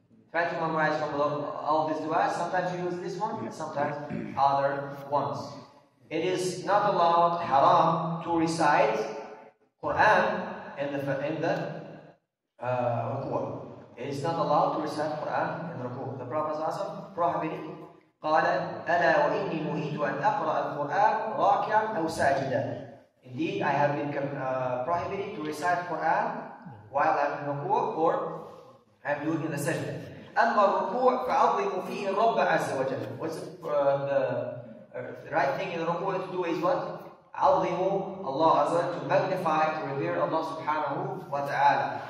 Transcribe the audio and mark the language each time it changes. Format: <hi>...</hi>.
<en>Try to memorize from all these du'as. Sometimes you use this one, and sometimes other ones. It is not allowed, haram, to recite Quran in the ruku'ah. It is not allowed to recite Quran in the ruku'ah. The Prophet prohibited.</en> <ar>قَالَ أَلَا وَإِنِّي مُهِيتُ أَنْ أَقْرَأَ الْقُرْآنَ رَاكِعًا أَوْ سَاجِدًا.</ar> <en>Indeed, I have been prohibited to recite Quran while I'm in ruku' or I'm doing in the sajda.</en> <ar>أَمَّا الرُّكُوعَ فَعَظِّمُ فِيهِ رَبَّ عَزَّ وَجَلَّ.</ar> <en>What's the right thing in the ruku' to do is what? عَظِّمُ Allah Azza, to magnify, to revere Allah Subhanahu wa Ta'ala.</en>